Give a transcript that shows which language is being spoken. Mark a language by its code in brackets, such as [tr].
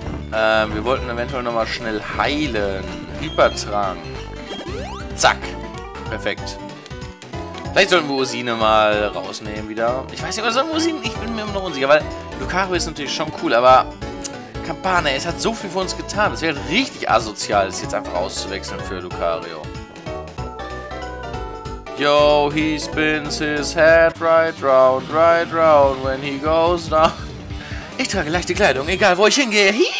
[de] Wir wollten eventuell nochmal schnell heilen. Hypertrank. Zack. Perfekt. Vielleicht sollten wir Ursine mal rausnehmen wieder. Ich weiß nicht, was soll Ursine? Ich bin mir immer noch unsicher, weil Lucario ist natürlich schon cool, aber Campana, es hat so viel für uns getan. Es wäre richtig asozial, es jetzt einfach auszuwechseln für Lucario. [en] Yo, he spins his head right round when he goes down. [de] Ich trage leichte Kleidung, egal wo ich hingehe.